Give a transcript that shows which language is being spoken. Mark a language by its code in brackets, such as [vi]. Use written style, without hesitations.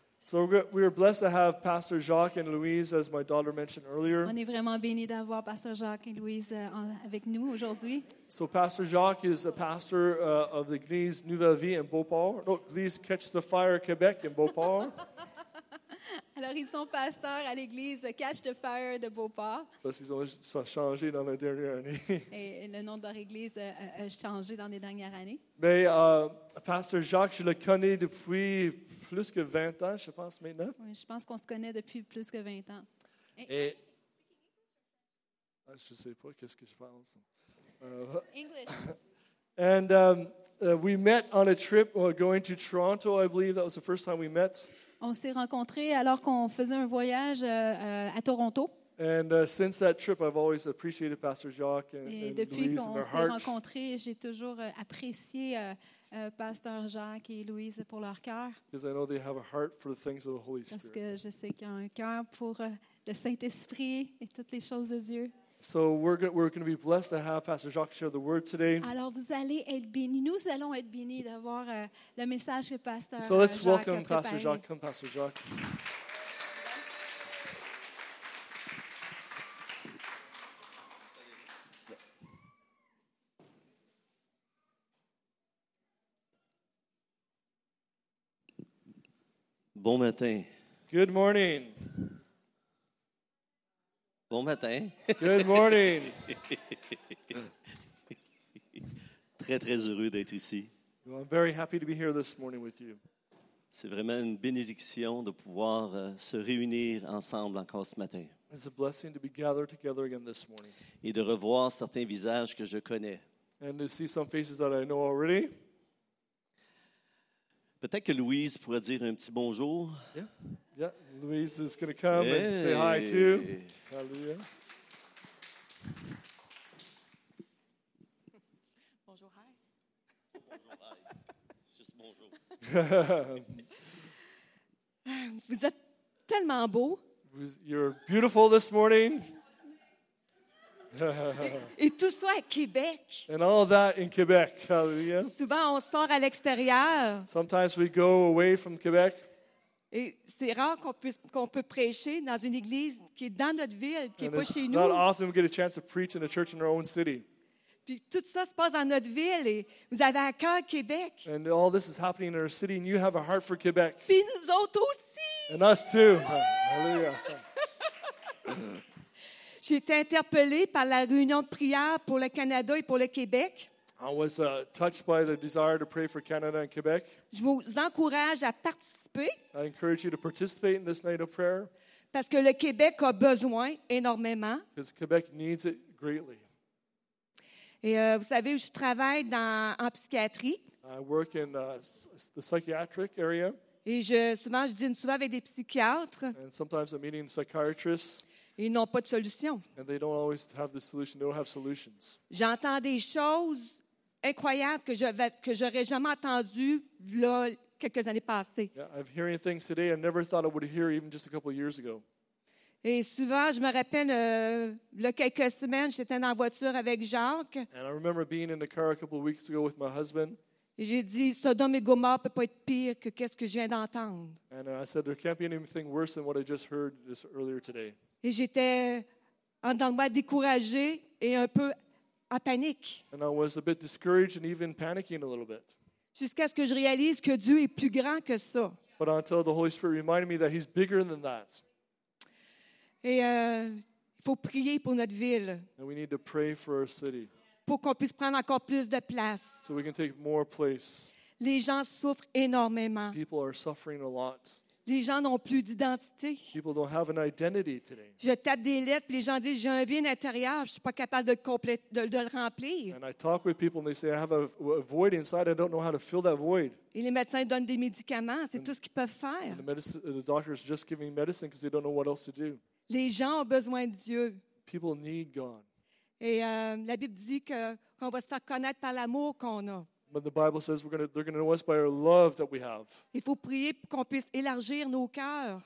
[en] So we are blessed to have Pastor Jacques and Louise, as my daughter mentioned earlier. [fr] On est vraiment bénis d'avoir Pasteur Jacques et Louise avec nous aujourd'hui. [en] So Pastor Jacques is a pastor of the Église Nouvelle Vie in Beauport. No, Église Catch the Fire Québec in Beauport. [fr] Alors ils sont pasteurs à l'Église Catch the Fire de Beauport. Parce qu'ils ont changé dans les dernières années. Et le nom de leur église a changé dans les dernières années. Mais Pasteur Jacques, je le connais depuis plus que 20 ans, je pense, maintenant. Oui, je pense qu'on se connaît depuis plus que 20 ans. Et je ne sais pas qu'est-ce que je pense. [en] English. And we met on a trip going to Toronto, I believe. That was the first time we met. [fr] On s'est rencontrés alors qu'on faisait un voyage à Toronto. [en] And since that trip, I've always appreciated Pastor Jacques and Louise. [fr] Et depuis Louise qu'on s'est rencontrés, j'ai toujours apprécié Pasteur Jacques et Louise pour leur cœur. [en] Because I know they have a heart for the things of the Holy Spirit. [fr] Parce que je sais qu'ils ont un cœur pour le Saint-Esprit et toutes les choses de Dieu. [en] So we're going to be blessed to have Pastor Jacques share the word today. [fr] Alors vous allez être bénis. Nous allons être bénis d'avoir le message que Pasteur Jacques. [en] So let's welcome Pastor Jacques. Come, Pastor Jacques. [fr] Bon matin. [en] Good morning. [fr] Bon matin. [en] Good morning. [fr] Très, très heureux d'être ici. [en] Well, I'm very happy to be here this morning with you. [fr] C'est vraiment une bénédiction de pouvoir se réunir ensemble encore ce matin. [en] It's a blessing to be gathered together again this morning. [fr] Et de revoir certains visages que je connais. [en] And to see some faces that I know already. [fr] Peut-être que Louise pourrait dire un petit bonjour. [en] Yeah, yeah. Louise is going to come and say hi too. Hallelujah. [fr] Bonjour, [en] hi. [fr] Bonjour, [en] hi. [fr] Juste bonjour. Vous êtes tellement beau. [en] You're beautiful this morning. [fr] Et tout ça à Québec. [en] And all that in Québec. Hallelujah. [fr] Souvent, on sort à l'extérieur. [en] Sometimes we go away from Québec. [fr] Et c'est rare qu'on peut prêcher dans une église qui est dans notre ville, qui [en] and [fr] est pas chez nous. [en] Not often we get a chance to preach in a church in our own city. [fr] Puis tout ça se passe dans notre ville et vous avez à cœur Québec. [en] And all this is happening in our city and you have a heart for Québec. [fr] Puis nous autres aussi. [en] And us too. Hallelujah. [fr] J'ai été interpellée par la réunion de prière pour le Canada et pour le Québec. [en] I was touched by the desire to pray for Canada and Quebec. [fr] Je vous encourage à participer. [en] I encourage you to participate in this night of prayer. [fr] Parce que le Québec a besoin énormément. [en] Because Quebec needs it greatly. [fr] Et vous savez, je travaille en psychiatrie. [en] I work in the psychiatric area. [fr] Et souvent, je dîne souvent avec des psychiatres. [en] And sometimes I'm meeting psychiatrists. [fr] Ils n'ont pas de solution. [en] And they don't always have the solution. They don't have solutions. [fr] J'entends des choses incroyables que j'aurais jamais entendues là quelques années passées. [en] Yeah, I'm hearing things today I never thought I would hear even just a couple of years ago. [fr] Et souvent, je me rappelle, là, quelques semaines, j'étais dans la voiture avec Jacques. [en] And I remember being in the car a couple of weeks ago with my husband. [fr] Et j'ai dit, Sodome et Gomorrhe ne peut pas être pire que qu'est-ce que je viens d'entendre. [en] And I said, there can't be anything worse than what I just heard this earlier today. [fr] Et j'étais en dedans de moi découragée et un peu en panique. [en] And I was a bit discouraged and even panicking a little bit. [fr] Jusqu'à ce que je réalise que Dieu est plus grand que ça. [en] But until the Holy Spirit reminded me that he's bigger than that. [fr] Et il faut prier pour notre ville. [en] And we need to pray for our city. [fr] Pour qu'on puisse prendre encore plus de place. [en] So we can take more place. [fr] Les gens souffrent énormément. [en] People are suffering a lot. [fr] Les gens n'ont plus d'identité. [en] People don't have an identity today. [fr] Je tape des lettres, puis les gens disent, j'ai un vide intérieur, je ne suis pas capable de le remplir. [en] And I talk with people and they say, I have a void inside, I don't know how to fill that void. [fr] Et les médecins donnent des médicaments, c'est tout ce qu'ils peuvent faire. [en] And the doctor is just giving medicine because they don't know what else to do. [fr] Les gens ont besoin de Dieu. [en] People need God. [fr] Et la Bible dit qu'on va se faire connaître par l'amour qu'on a. [en] But the Bible says they're going to know us by our love that we have. [fr] Il faut prier pour qu'on puisse élargir nos cœurs.